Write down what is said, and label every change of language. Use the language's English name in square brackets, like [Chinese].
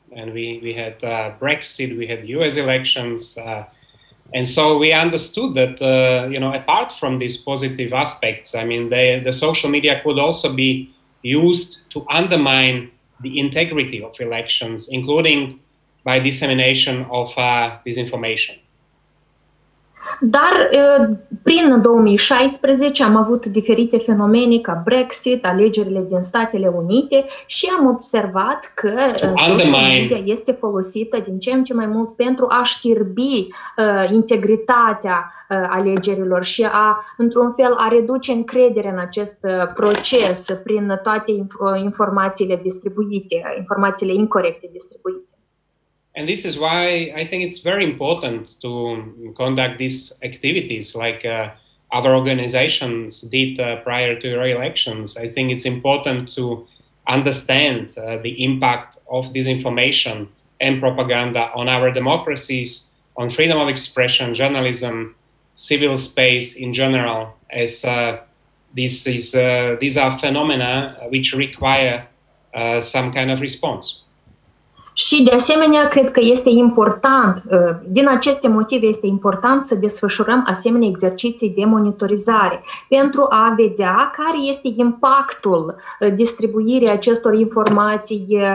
[English] And we had Brexit, we had US elections, and so we understood that, you know, apart from these positive aspects, I mean, the social media could also be used to undermine the integrity of elections, including by dissemination of disinformation. [Romanian] Dar prin 2016 am avut diferite fenomene ca Brexit, alegerile din Statele Unite și am observat că social media este folosită din ce în ce mai mult pentru a știrbi integritatea alegerilor și a, într-un fel, a reduce încrederea în acest proces prin toate informațiile distribuite, informațiile incorrecte distribuite. [English] And this is why I think it's very important to conduct these activities like other organizations did prior to your elections. I think it's important to understand the impact of disinformation and propaganda on our democracies, on freedom of expression, journalism, civil space in general, as these are phenomena which require some kind of response. [Romanian] Și de asemenea, cred că este important, din aceste motive este important să desfășurăm asemenea exerciții de monitorizare pentru a vedea care este impactul distribuirii acestor informații